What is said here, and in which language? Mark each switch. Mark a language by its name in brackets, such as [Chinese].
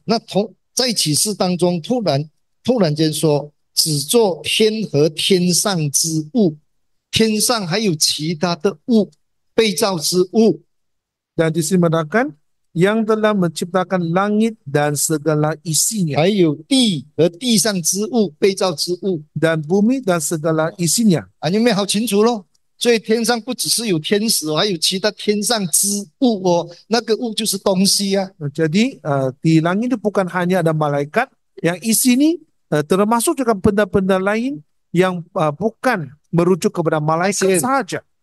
[Chinese] 那同在启示当中，突然间说，只做天和天上之物，天上还有其他的物，被造之物。 [Malay] Dan di sini menerangkan yang telah menciptakan langit dan segala isinya. [Chinese] 还有地和地上之物，被造之物。 [Malay] Dan bumi dan segala isinya. [Chinese] 啊，你们好清楚咯。所以天上不只是有天使，还有其他天上之物哦，那个物就是东西啊。 [Malay] Jadi di langit itu bukan hanya ada malaikat yang isi ini termasuk juga benda-benda lain yang bukan merujuk kepada malaikat sahaja.